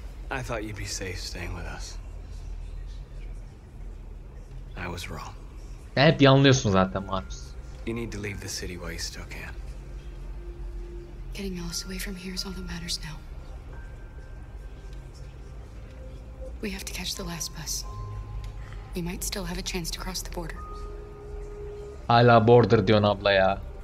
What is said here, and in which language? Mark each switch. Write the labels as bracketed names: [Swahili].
[English] I thought you'd be safe staying with us. I was wrong. [Turkish] Hep yanılıyorsun zaten Marcus. [English] You need to leave the city while you still can. Getting Ellis away from here is all that matters now. We have to catch the last bus. We might still have a chance to cross the border. [Turkish] Hala border diyorsun abla ya.